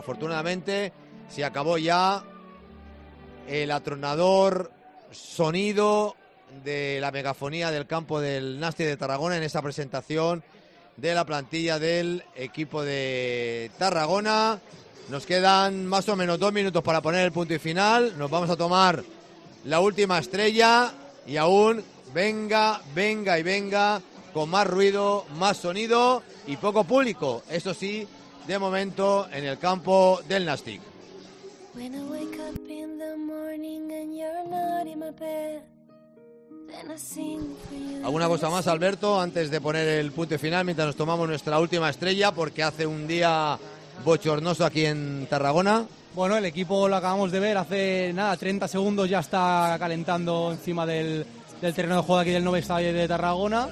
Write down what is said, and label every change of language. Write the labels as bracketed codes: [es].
[es] Afortunadamente, se acabó ya el atronador sonido de la megafonía del campo del Nàstic de Tarragona en esa presentación de la plantilla del equipo de Tarragona. Nos quedan más o menos 2 minutos para poner el punto y final. Nos vamos a tomar la última estrella. Y aún, venga, venga y venga, con más ruido, más sonido y poco público. Eso sí, de momento, en el campo del Nàstic. [en] When I wake up in the morning and you're not in my bed, then I sing for you. [es] ¿Alguna cosa más, Alberto, antes de poner el punto final, mientras nos tomamos nuestra última estrella, porque hace un día bochornoso aquí en Tarragona? Bueno, el equipo lo acabamos de ver hace nada, 30 segundos ya está calentando encima del terreno de juego aquí del Nou Estadi de Tarragona.